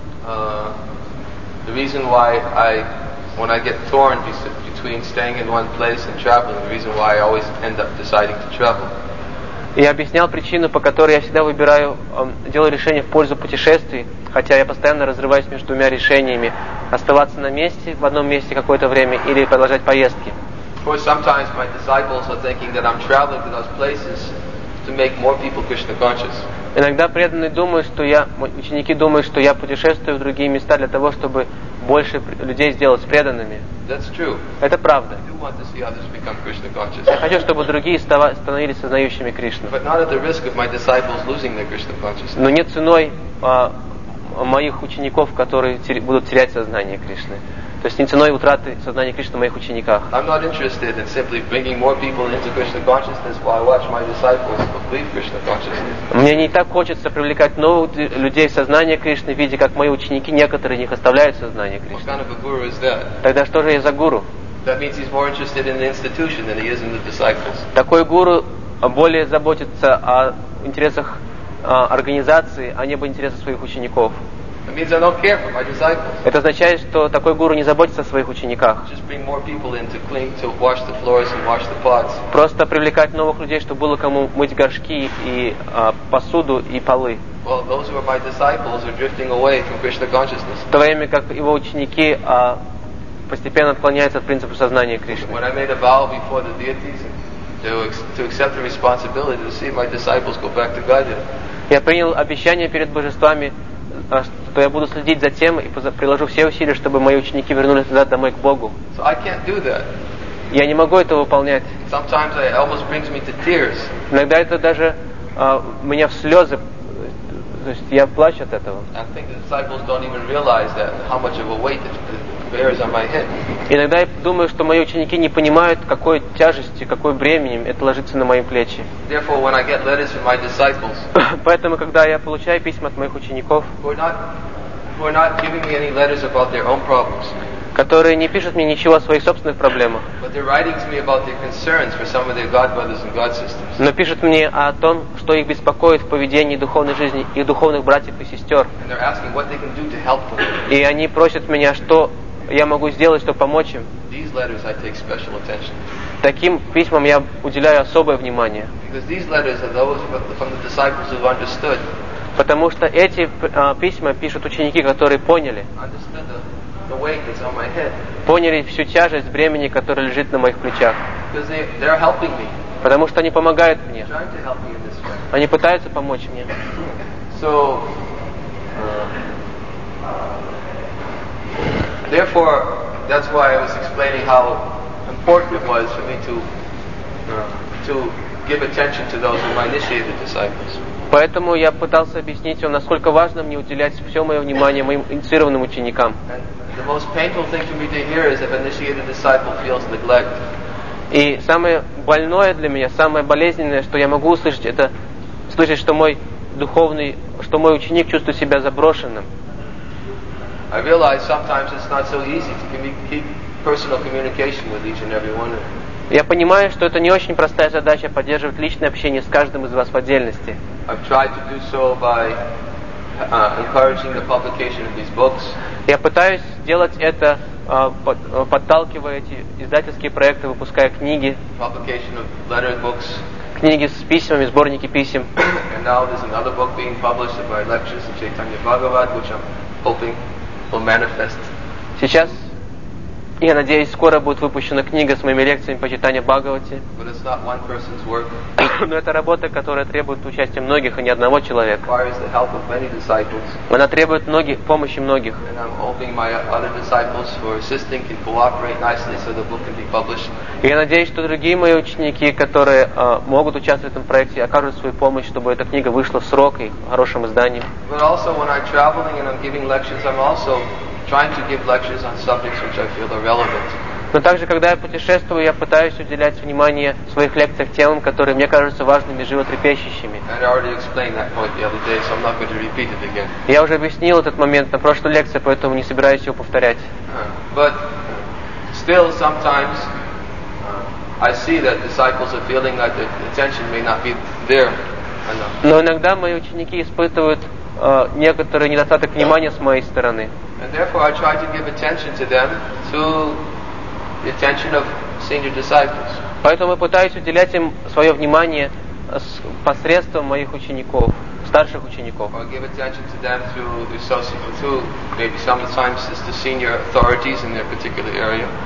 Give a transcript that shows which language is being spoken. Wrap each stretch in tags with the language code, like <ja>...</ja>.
<en>the reason why I, when I get torn between staying in one place and traveling, the reason why I always end up deciding to travel.</en> <ru>Я объяснял причину, по которой я всегда выбираю, делаю решение в пользу путешествий, хотя я постоянно разрываюсь между двумя решениями: оставаться на месте, в одном месте какое-то время, или продолжать поездки.</ru> <en>Of course, sometimes my disciples are thinking that I'm traveling to those places to make more people Krishna conscious.</en> <ru>Иногда преданные думают, что я, ученики думают, что я путешествую в другие места для того, чтобы больше людей сделать преданными.</ru> <en>That's true.</en> <ru>Это правда.</ru> <en>I do want to see others become Krishna conscious.</en> <ru>Я хочу, чтобы другие становились сознающими Кришну.</ru> <en>But not at the risk of my disciples losing their Krishna consciousness.</en> <ru>Но не ценой моих учеников, которые будут терять сознание Кришны. То есть не ценой утраты сознания Кришны в моих учениках.</ru> <en>I'm not interested in simply bringing more people into Krishna consciousness while I watch my disciples leave Krishna consciousness.</en> <ru>Мне не так хочется привлекать новых людей в сознание Кришны, видя, как мои ученики некоторые них оставляют сознание Кришны.</ru> <en>What kind of a guru is that?</en> <ru>Тогда что же я за гуру?</ru> <en>That means he's more interested in the institution than he is in the disciples.</en> <ru>Такой гуру более заботится о интересах организации, а не об интересах своих учеников.</ru> <en>It means I don't care for my disciples.</en> <ru>Это означает, что такой гуру не заботится о своих учениках.</ru> <en>Just bring more people in to clean, to wash the floors and wash the pots.</en> <ru>Просто привлекать новых людей, чтобы было кому мыть горшки и посуду и полы.</ru> <en>Well, those who are my disciples are drifting away from Krishna consciousness.</en> <ru>В то время как его ученики постепенно отклоняются от принципа сознания Кришны.</ru> <en>When I made a vow before the deities to accept the responsibility to see my disciples go back to Gaudiya.</en> <ru>Я принял обещание перед божествами, что я буду следить за тем и приложу все усилия, чтобы мои ученики вернулись назад домой к Богу.</ru> <en>So I can't do that.</en> <ru>Я не могу это выполнять.</ru> <en>Sometimes it almost brings me to tears.</en> <ru>Иногда это даже меня в слезы, то есть я плачу от этого.</ru> <en>I think the disciples don't even realize that how much of a weight it bears on my head.</en> <ru>Иногда я думаю, что мои ученики не понимают, какой тяжестью, какой бременем это ложится на мои плечи.</ru> <en>Therefore, when I get letters from my disciples,</en> <ru>поэтому, когда я получаю письма от моих учеников,</ru> <en>who are not giving me any letters about their own problems,</en> <ru>которые не пишут мне ничего о своих собственных проблемах,</ru> <en>but they're writing to me about their concerns for some of their god brothers and god sisters,</en> <ru>но пишут мне о том, что их беспокоит в поведении духовной жизни их духовных братьев и сестер,</ru> <en>and they're asking what they can do to help them,</en> <ru>и они просят меня, что я могу сделать, чтобы помочь им.</ru> <en>These letters I take special attention.</en> <ru>Таким письмам я уделяю особое внимание.</ru> <en>Because these letters are those from the disciples who've understood.</en> <ru>Потому что эти письма пишут ученики, которые поняли.</ru> <en>Understood the weight that's on my head.</en> <ru>Поняли всю тяжесть бремени, которая лежит на моих плечах.</ru> <en>Because they're helping me.</en> <ru>Потому что они помогают мне.</ru> <en>Trying to help me in this way.</en> <ru>Они пытаются помочь мне.</ru> <en>So, therefore, that's why I was explaining how important it was for me to give attention to those who my initiated disciples.</en> <ru>Поэтому я пытался объяснить вам, насколько важно мне уделять все мое внимание моим инициированным ученикам.</ru> <en>And the most painful thing for me to hear is if an initiated disciple feels neglect.</en> <ru>И самое больное для меня, самое болезненное, что я могу услышать, это слышать, что мой ученик чувствует себя заброшенным.</ru> <en>I realize sometimes it's not so easy to keep personal communication with each and every one of you.</en> <ru>Я понимаю, что это не очень простая задача поддерживать личное общение с каждым из вас в отдельности.</ru> <en>I've tried to do so by encouraging the publication of these books.</en> <ru>Я пытаюсь делать это, подталкивая эти издательские проекты, выпуская книги.</ru> <en>Publication of letter books.</en> <ru>Книги с письмами, сборники писем.</ru> <en>And now there's another book being published by lectures of Chaitanya Bhagavat, which I'm hoping will manifest.</en> <ru>Сейчас, я надеюсь, скоро будет выпущена книга с моими лекциями по читанию Бхагавати.</ru> <en>But it's not one person's work.</en> <ru>Но это работа, которая требует участия многих, а не одного человека.</ru> <en>It requires the help of many disciples.</en> <ru>Она требует помощи многих.</ru> <en>And I'm hoping my other disciples who are assisting can cooperate nicely so the book can be published.</en> <ru>Я надеюсь, что другие мои ученики, которые могут участвовать в этом проекте, окажут свою помощь, чтобы эта книга вышла в срок и в хорошем издании.</ru> <en>But also when I'm traveling and I'm giving lectures, I'm also trying to give lectures on subjects which I feel are relevant.</en> <ru>Но также, когда я путешествую, я пытаюсь уделять внимание в своих лекциях темам, которые мне кажутся важными, животрепещущими.</ru> <en>I already explained that point the other day, so I'm not going to repeat it again.</en> <ru>Я уже объяснил этот момент на прошлой лекции, поэтому не собираюсь его повторять.</ru> <en>But still, sometimes I see that disciples are feeling that their attention may not be there enough.</en> <ru>Но иногда мои ученики испытывают некоторый недостаток внимания с моей стороны.</ru> <en>And therefore I try to give attention to them through the attention of senior disciples.</en> <ru>Поэтому я пытаюсь уделять им свое внимание посредством моих учеников, старших учеников.</ru> <en>Or give attention to them through the associate, through maybe sometimes it's the senior authorities in their particular area.</en>